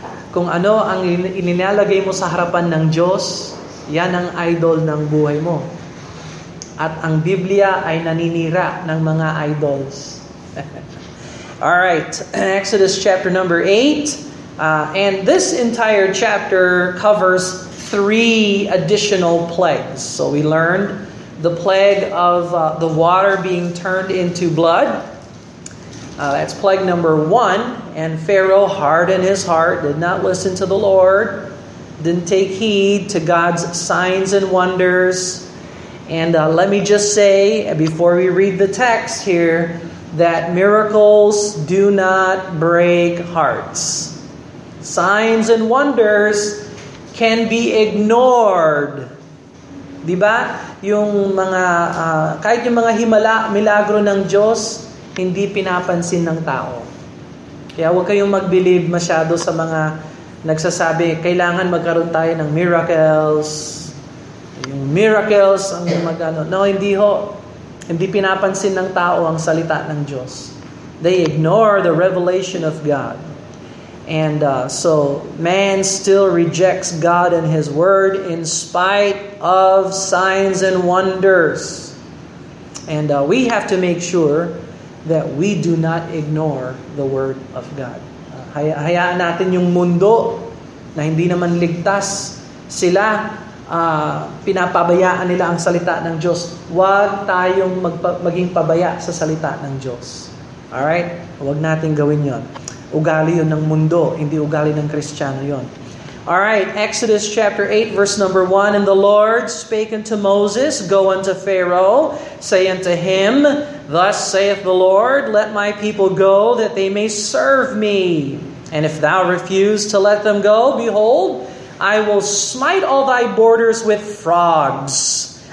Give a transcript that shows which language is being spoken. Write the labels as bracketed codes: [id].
[tl] Kung ano ang inilalagay mo sa harapan ng Diyos, yan ang idol ng buhay mo. At ang Biblia ay naninira ng mga idols. [en] All right, Exodus chapter number 8. And this entire chapter covers three additional plagues. So we learned the plague of the water being turned into blood. That's plague number 1. And Pharaoh hardened his heart, did not listen to the Lord, didn't take heed to God's signs and wonders. And let me just say, before we read the text here, that miracles do not break hearts. Signs and wonders can be ignored. [tl] Diba? Yung mga, kahit yung mga himala, milagro ng Diyos, hindi pinapansin ng tao. Kaya huwag kayong mag-believe masyado sa mga nagsasabi, kailangan magkaroon tayo ng miracles. Yung miracles ang magano. No, hindi ho. Hindi pinapansin ng tao ang salita ng Diyos. [en] They ignore the revelation of God. And so, man still rejects God and His Word in spite of signs and wonders. And we have to make sure that we do not ignore the Word of God. [tl] Hayaan natin yung mundo na hindi naman ligtas sila. Pinapabayaan nila ang salita ng Diyos. Huwag tayong maging pabaya sa salita ng Diyos. Alright? Huwag natin gawin yon. Ugali yon ng mundo, hindi ugali ng Kristiyano yon. [en] Alright, Exodus chapter 8, verse number 1. And the Lord spake unto Moses, go unto Pharaoh, say unto him, thus saith the Lord, let my people go, that they may serve me. And if thou refuse to let them go, behold, I will smite all thy borders with frogs.